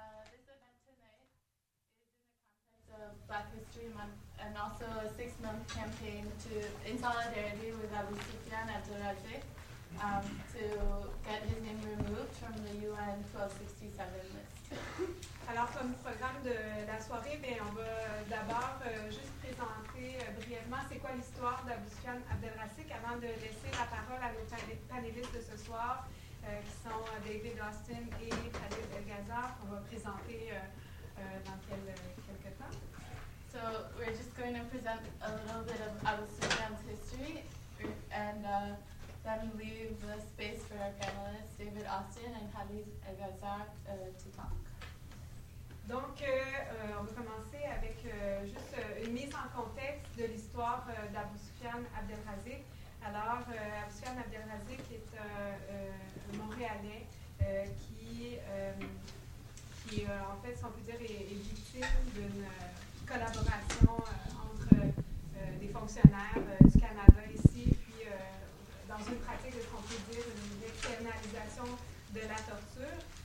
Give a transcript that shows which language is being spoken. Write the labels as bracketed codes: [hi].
[en] This event tonight is in the context of Black History Month and also a 6-month campaign to in solidarity with Abou Soufiane Abdelrazik to get his name removed from the UN 1267 list. [fr] Alors comme programme de la soirée, bien, on va d'abord juste présenter brièvement c'est quoi l'histoire d'Abou Soufiane Abdelrazik avant de laisser la parole à nos panélistes de ce soir. Qui sont David Austin et Khalid El-Ghazar, qu'on va présenter dans quelques temps. [en] So, we're just going to present a little bit of Abou Soufiane's history and then leave the space for our panelists, David Austin and Khalid El-Ghazar, to talk. [fr] Donc, on va commencer avec juste une mise en contexte de l'histoire d'Abou Soufiane Abdelrazik. Alors, Abou Soufiane Abdelrazik est un Montréalais qui en fait, si on peut dire, est victime d'une collaboration entre des fonctionnaires du Canada ici, puis dans une pratique de ce qu'on peut dire une externalisation de la torture.